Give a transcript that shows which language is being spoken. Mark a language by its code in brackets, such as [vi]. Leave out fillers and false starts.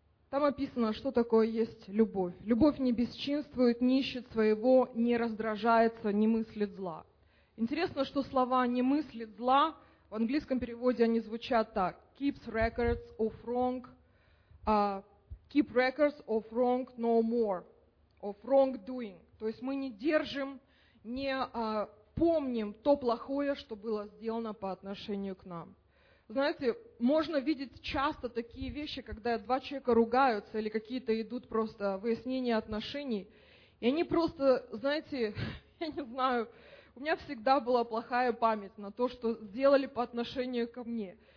[ru] Там описано, что такое есть любовь. Любовь не бесчинствует, не ищет своего, не раздражается, не мыслит зла. Интересно, что слова «не мыслит зла» в английском переводе они звучат так. [en] Keeps records of wrong, keep records of wrong no more, of wrong doing. [ru] То есть мы не держим, не помним то плохое, что было сделано по отношению к нам. Знаете, можно видеть часто такие вещи, когда два человека ругаются или какие-то идут просто выяснения отношений, и они просто, знаете, я не знаю, у меня всегда была плохая память на то, что сделали по отношению ко мне.